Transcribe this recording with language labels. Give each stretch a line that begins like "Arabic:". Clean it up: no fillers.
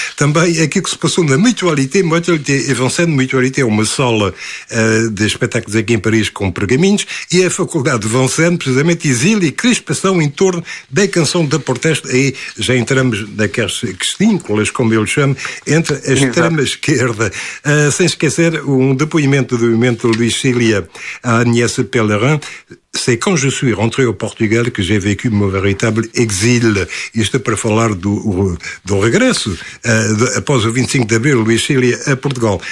Portuguese: Também aquilo que se passou na Mutualité, Mutualité e Vincent, Mutualité é uma sala de espetáculos aqui em Paris com pergaminhos, e a Faculdade de Vincent, precisamente, exílio e crispação em torno da canção da protesto. Aí já entramos naquelas questínculas, como eu lhe chamo, entre a extrema-esquerda. Sem esquecer um depoimento do momento de Luís Cília à Agnès Pellerin.
French: C'est quand je suis rentré au Portugal que j'ai vécu mon véritable exil.
Portuguese: Isto para falar do regresso, após o 25 de abril, Luís Cília, a Portugal.